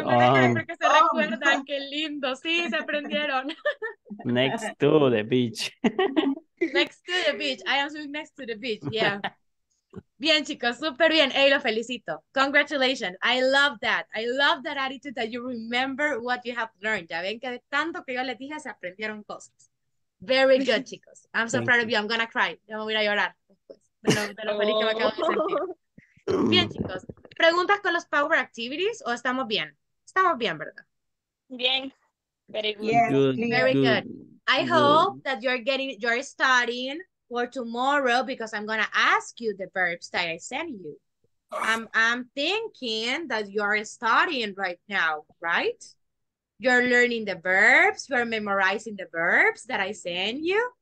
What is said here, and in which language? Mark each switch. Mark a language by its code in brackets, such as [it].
[es] Porque se recuerdan. Qué lindo. Sí, se aprendieron. [en] Next to the beach. Next to the beach. I am sitting next to the beach. Yeah. [es] Bien, chicos. Súper bien. [en] Hey, [es] lo felicito. [en] Congratulations. I love that. I love that attitude that you remember what you have learned. [es] Ya ven que de tanto que yo les dije, se aprendieron cosas. [en] Very good, chicos. I'm so proud of you. I'm gonna cry. [es] Ya me voy a llorar. De lo feliz que me acabo de sentir. Bien, chicos. ¿Preguntas con los power activities o estamos bien? Estamos bien, ¿verdad? Bien. [en] Very good. Yes. Good. Very good. Good. I hope that you're studying for tomorrow because I'm gonna ask you the verbs that I sent you. I'm thinking that you're studying right now, right? You're learning the verbs, you're memorizing the verbs that I send you.